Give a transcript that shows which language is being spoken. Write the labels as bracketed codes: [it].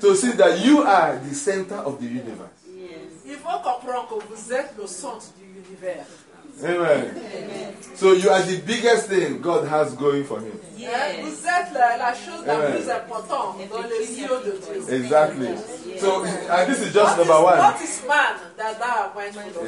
[en] To see that you are the center of the universe. Yes. If you comprehend that you are the center of the universe. Amen. Amen. So you are the biggest thing God has going for him. Yes. [fr] Vous êtes la chose la plus importante dans les yeux de Dieu. [en] Exactly. So, and this is just number one. What is man that thou art mindful of?